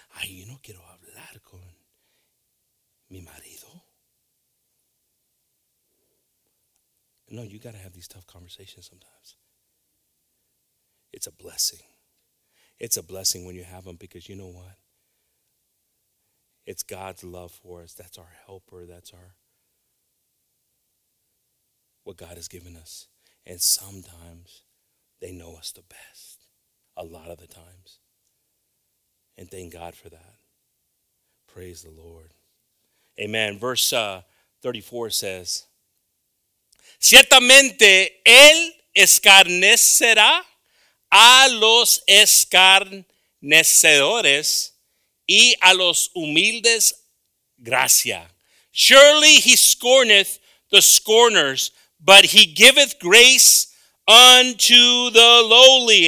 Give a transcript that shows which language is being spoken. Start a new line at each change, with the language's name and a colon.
Spanish: Ay, yo no quiero hablar con mi marido.
English: No, you got to have these tough conversations sometimes. It's a blessing. It's a blessing when you have them, because you know what? It's God's love for us. That's our helper. That's our what God has given us. And sometimes they know us the best. A lot of the times. And thank God for that. Praise the Lord. Amen. Verse 34 says,
Spanish: ciertamente él escarnecerá a los escarnecedores y a los humildes gracia.
English: Surely he scorneth the scorners, but he giveth grace unto the lowly.